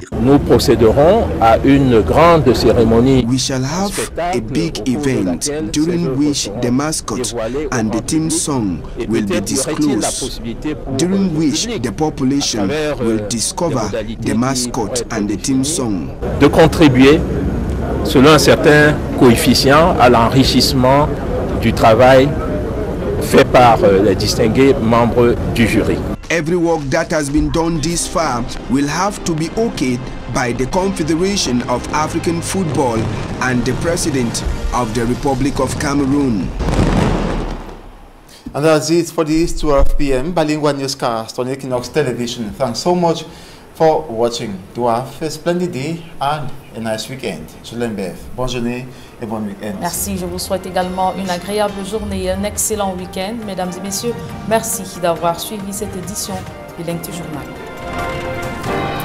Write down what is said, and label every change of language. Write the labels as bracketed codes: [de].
[fr] Nous procéderons à une grande cérémonie. [en] We shall have a big event during which the mascot and the theme song will be disclosed, during which the population will discover the mascot and the theme song. [fr] De contribuer selon un certain coefficient à l'enrichissement du travail fait par les distingués membres du jury. [en] Every work that has been done this far will have to be okayed by the Confederation of African Football and the President of the Republic of Cameroon. And that's it for this 12 p.m. Balingua newscast on Equinox Television. Thanks so much for watching. Do have a splendid day and a nice weekend. [fr] Je l'embête. Bonne journée et bon week-end. Merci. Je vous souhaite également une agréable journée et un excellent week-end. Mesdames et messieurs, merci d'avoir suivi cette édition du LinkedIn Journal.